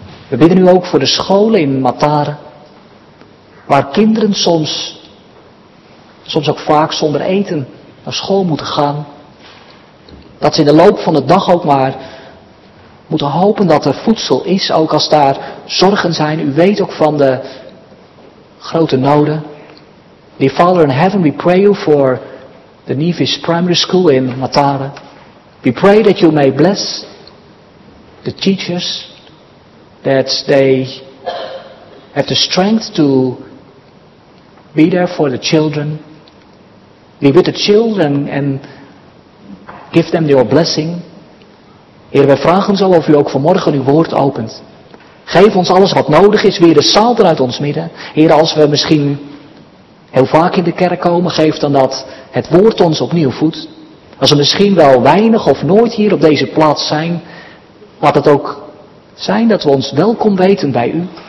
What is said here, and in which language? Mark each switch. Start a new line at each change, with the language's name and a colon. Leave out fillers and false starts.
Dutch: We bidden u ook voor de scholen in Mataren, waar kinderen soms ook vaak zonder eten naar school moeten gaan. Dat ze in de loop van de dag ook maar moeten hopen dat er voedsel is, ook als daar zorgen zijn. U weet ook van de grote noden.
English: Dear Father in heaven, we pray you for the Nevis Primary School in Mataren. We pray that you may bless the teachers, that they have the strength to be there for the children. Be with the children and give them your blessing.
Dutch: Heer, wij vragen zo of u ook vanmorgen uw woord opent. Geef ons alles wat nodig is, weer de zaal eruit ons midden. Heer, als we misschien heel vaak in de kerk komen, geef dan dat het woord ons opnieuw voedt. Als er misschien wel weinig of nooit hier op deze plaats zijn, laat het ook zijn dat we ons welkom weten bij u.